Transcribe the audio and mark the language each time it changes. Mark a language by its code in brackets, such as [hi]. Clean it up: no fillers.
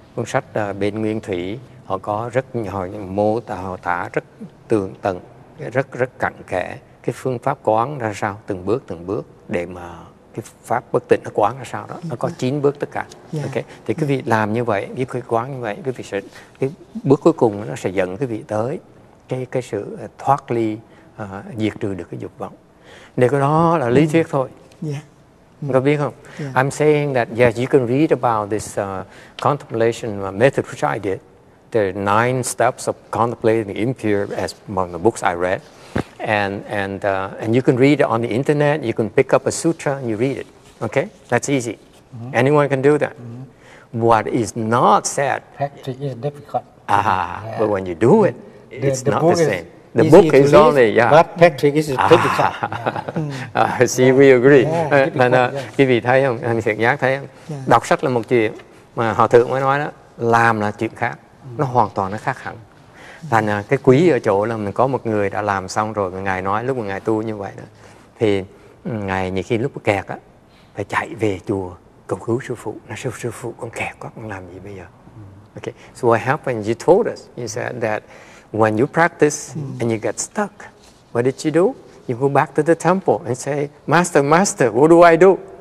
[vi] Cuốn sách bên Nguyên Thủy họ có rất nhiều mô tả, họ tả rất tường tận, rất rất cặn kẽ cái phương pháp quán ra sao, từng bước để mà cái pháp bất tịnh nó quán ra sao đó. Nó có 9 bước tất cả. Yeah. Okay. Thì quý vị làm như vậy, với cái quán như vậy, quý vị sẽ cái bước cuối cùng nó sẽ dẫn quý vị tới cái sự thoát ly, diệt trừ được cái dục vọng. Nên cái đó là lý thuyết thôi. Yeah. Có biết không? Yeah. [en] I'm saying that, yes, you can read about this contemplation method, which I did. There are 9 steps of contemplating the impure as among the books I read. And you can read it on the internet. You can pick up a sutra and you read it. Okay? That's easy. Mm-hmm. Anyone can do that. Mm-hmm. What is not said... Practice is difficult. But when you do it, it's the not the same. The book is read, only, yeah. But Patrick is a typical. See, we agree. Yeah, [vi] quý vị thấy không? Anh Thiện Giác thấy không? Yeah. Đọc sách là một chuyện, mà Hòa Thượng mới nói đó, làm là chuyện khác. Nó hoàn toàn nó khác hẳn. Thành cái quý ở chỗ là mình có một người đã làm xong rồi, Ngài nói lúc mà Ngài tu như vậy đó, thì Ngài nhiều khi lúc kẹt á, phải chạy về chùa, cầu cứu sư phụ. Nói, sư phụ, con kẹt quá, con làm gì bây giờ? [en] Okay, so what happened, you told us, you said that when you practice and you get stuck, what did you do? You go back to the temple and say, Master, Master, what do I do?